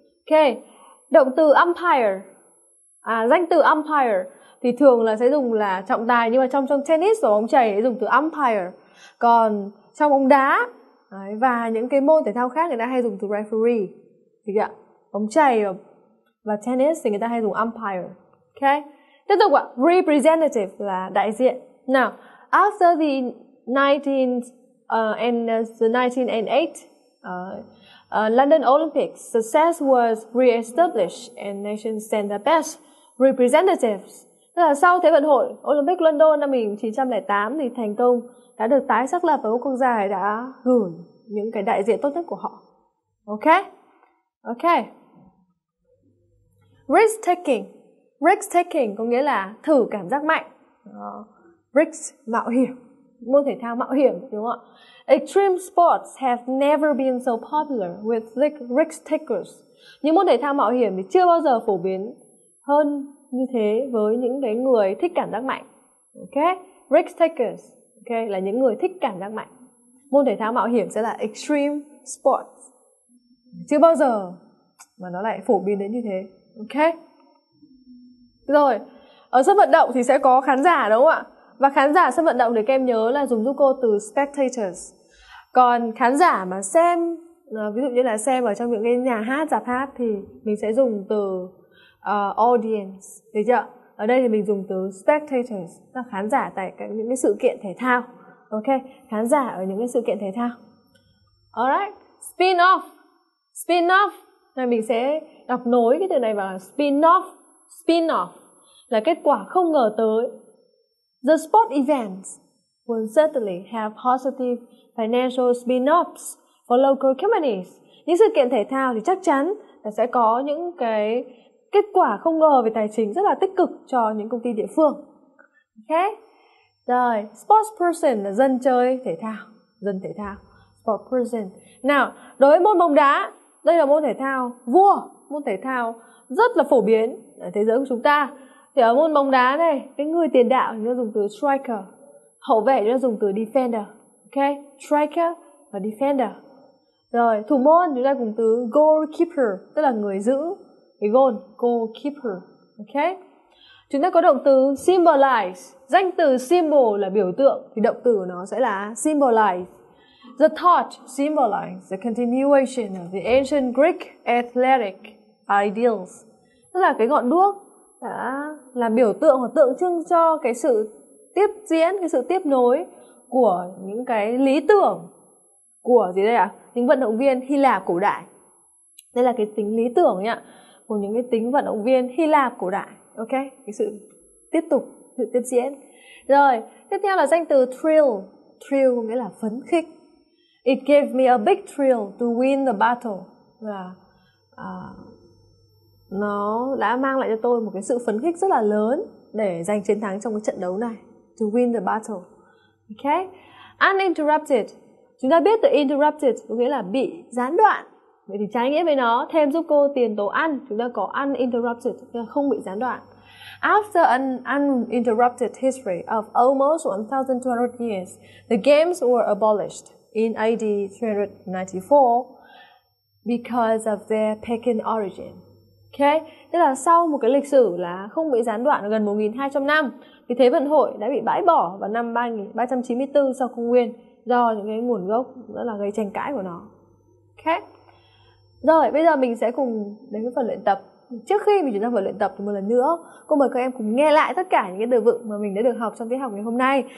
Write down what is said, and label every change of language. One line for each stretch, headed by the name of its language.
Vietnamese: Ok, động từ umpire. À, danh từ umpire thì thường là sẽ dùng là trọng tài, nhưng mà trong tennis và bóng chày dùng từ umpire. Còn trong bóng đá đấy, và những cái môn thể thao khác người ta hay dùng từ referee. Được ạ? Bóng chày và tennis thì người ta hay dùng umpire. Ok. Tiếp tục ạ. Representative là đại diện.
English: Now, after the 1908 London Olympics, success was reestablished and nations sent the best representatives.
Vietnamese: Tức là sau Thế vận hội Olympic London năm 1908 thì thành công đã được tái xác lập và các quốc gia đã gửi những cái đại diện tốt nhất của họ. Ok. Ok. Risk taking. Risk taking có nghĩa là thử cảm giác mạnh. Risk, mạo hiểm. Môn thể thao mạo hiểm, đúng không ạ?
English: Extreme sports have never been so popular with risk takers.
Vietnamese: Những môn thể thao mạo hiểm thì chưa bao giờ phổ biến hơn như thế với những cái người thích cảm giác mạnh. Ok? Risk takers, ok, là những người thích cảm giác mạnh. Môn thể thao mạo hiểm sẽ là extreme sports. Chưa bao giờ mà nó lại phổ biến đến như thế. Ok. Rồi, ở sân vận động thì sẽ có khán giả đúng không ạ? Và khán giả sân vận động thì các em nhớ là dùng giúp cô từ spectators. Còn khán giả mà xem, ví dụ như là xem ở trong những cái nhà hát, rạp hát thì mình sẽ dùng từ audience, được chưa? Ở đây thì mình dùng từ spectators, là khán giả tại những cái sự kiện thể thao. Ok, khán giả ở những cái sự kiện thể thao. Alright, spin-off. Spin-off là mình sẽ đọc nối cái từ này vào spin-off. Spin-off là kết quả không ngờ tới.
English: The sport events will certainly have positive financial spin-offs for local communities.
Vietnamese: Những sự kiện thể thao thì chắc chắn là sẽ có những cái kết quả không ngờ về tài chính rất là tích cực cho những công ty địa phương. Ok. Rồi, sportsperson là dân chơi thể thao, dân thể thao, sportsperson. Nào, đối với môn bóng đá, đây là môn thể thao vua, môn thể thao rất là phổ biến ở thế giới của chúng ta. Thì ở môn bóng đá này, cái người tiền đạo thì nó dùng từ striker, hậu vệ thì nó dùng từ defender. Ok, striker và defender. Rồi, thủ môn chúng ta cùng từ goalkeeper, tức là người giữ cái goal, goalkeeper. Ok. Chúng ta có động từ symbolize, danh từ symbol là biểu tượng, thì động từ của nó sẽ là symbolize. The torch symbolizes the continuation of the ancient Greek athletic ideals. Tức là cái ngọn đuốc đã là biểu tượng hoặc tượng trưng cho cái sự tiếp diễn, cái sự tiếp nối của những cái lý tưởng của gì đây ạ? Những vận động viên Hy Lạp cổ đại. Đây là cái tính lý tưởng ấy ạ, của những cái tính vận động viên Hy Lạp cổ đại. Ok, cái sự tiếp tục, sự tiếp diễn. Rồi, tiếp theo là danh từ thrill. Thrill nghĩa là phấn khích.
English: It gave me a big thrill to win the battle.
Vietnamese: Và nó đã mang lại cho tôi một cái sự phấn khích rất là lớn để giành chiến thắng trong cái trận đấu này.
English: To win the battle.
Vietnamese: Ok. Uninterrupted. Chúng ta biết từ interrupted có nghĩa là bị gián đoạn. Vậy thì trái nghĩa với nó, thêm giúp cô tiền tố ăn, chúng ta có uninterrupted, không bị gián đoạn.
English: After an uninterrupted history of almost 1,200 years, the games were abolished in AD 394 because of their pagan origin. Okay?
Vietnamese: Tức là sau một cái lịch sử là không bị gián đoạn gần 1,200 năm, thì Thế vận hội đã bị bãi bỏ vào năm 3394 sau Công Nguyên do những cái nguồn gốc rất là gây tranh cãi của nó. Okay? Rồi, bây giờ mình sẽ cùng đến với phần luyện tập. Trước khi mình chuyển sang phần luyện tập thì một lần nữa, cô mời các em cùng nghe lại tất cả những cái từ vựng mà mình đã được học trong tiết học ngày hôm nay.